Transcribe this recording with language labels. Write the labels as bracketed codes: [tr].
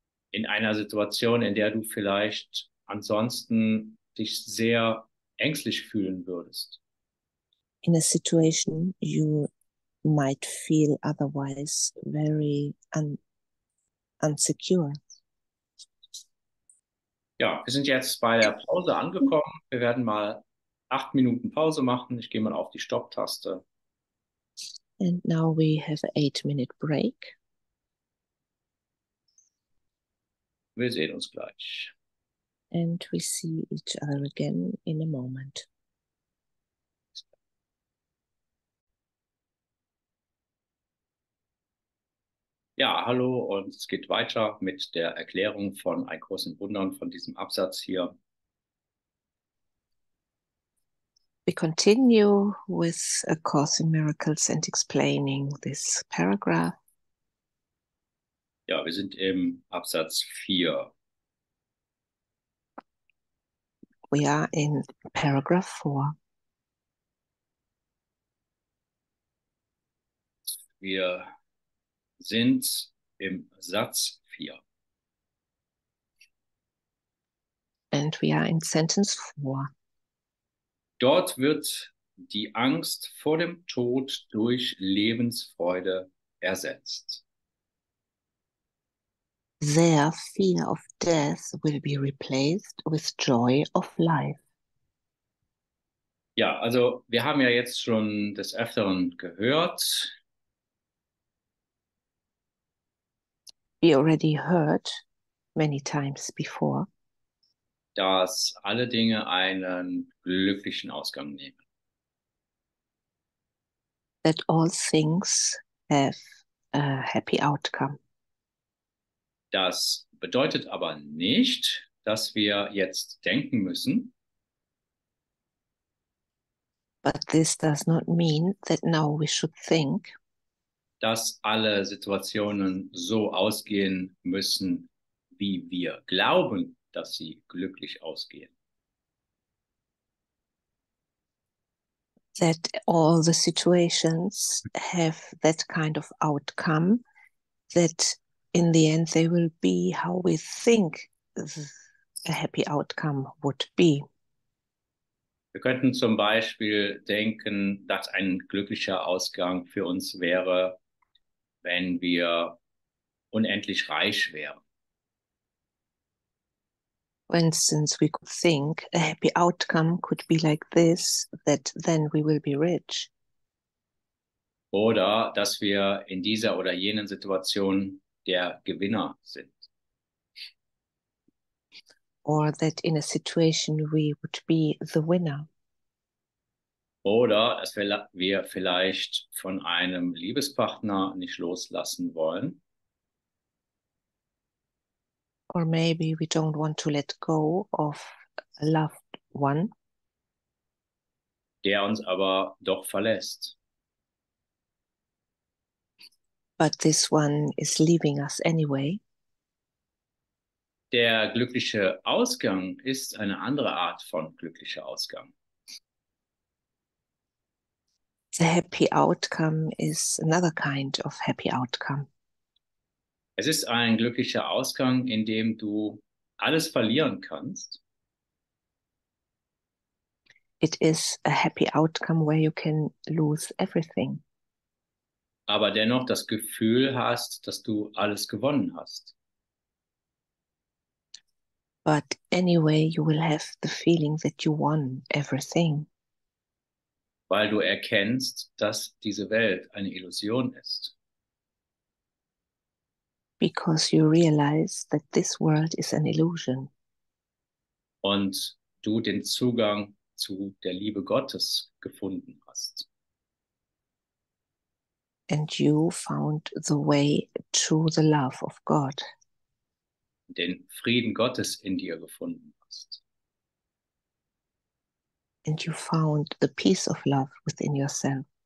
[de] In einer Situation, in der du vielleicht ansonsten dich sehr ängstlich fühlen würdest. [en] In a situation you might feel otherwise very unsecure. [de] Ja, wir sind jetzt bei der Pause angekommen. Wir werden mal 8 Minuten Pause machen. Ich gehe mal auf die Stopptaste. [en] And now we have an 8-minute break. [de] Wir sehen uns gleich. [en] And we see each other again in a moment. [de] Ja, hallo, und es geht weiter mit der Erklärung von Ein Kurs in Wundern, von diesem Absatz hier. [en] We continue with A Course in Miracles and explaining this paragraph. [de] Ja, wir sind im Absatz 4. [en] We are in paragraph 4. [de] Wir sind im Satz 4. [en] And we are in sentence 4. [de] Dort wird die Angst vor dem Tod durch Lebensfreude ersetzt. [en] Their fear of death will be replaced with joy of life. [de] Ja, also wir haben ja jetzt schon des Öfteren gehört. [en] We already heard many times before. [de] Dass alle Dinge einen glücklichen Ausgang nehmen. [en] That all things have a happy outcome. [de] Das bedeutet aber nicht, dass wir jetzt denken müssen. [en] But this does not mean that now we should think. [de] Dass alle Situationen so ausgehen müssen, wie wir glauben, dass sie glücklich ausgehen. [en] That all the situations have that kind of outcome that in the end, they will be how we think a happy outcome would be. [de] Wir könnten zum Beispiel denken, dass ein glücklicher Ausgang für uns wäre, wenn wir unendlich reich wären. [en] For instance, we could think a happy outcome could be like this, that then we will be rich. [de] Oder dass wir in dieser oder jenen Situation der Gewinner sind. [en] Or that in a situation we would be the winner. [de] Oder dass wir vielleicht von einem Liebespartner nicht loslassen wollen. [en] Or maybe we don't want to let go of a loved one. [de] Der uns aber doch verlässt. [en] But this one is leaving us anyway. [de] Der glückliche Ausgang ist eine andere Art von glücklicher Ausgang. [en] The happy outcome is another kind of happy outcome. [de] Es ist ein glücklicher Ausgang, in dem du alles verlieren kannst. [en] It is a happy outcome where you can lose everything. [de] Aber dennoch das Gefühl hast, dass du alles gewonnen hast. [en] But anyway, you will have the feeling that you won everything. [de] Weil du erkennst, dass diese Welt eine Illusion ist. [en] Because you realize that this world is an illusion. [de] Und du den Zugang zu der Liebe Gottes gefunden hast. [en] And you found the way to the love of God. [de] Den Frieden Gottes in dir gefunden hast. [en] And you found the peace of love within yourself.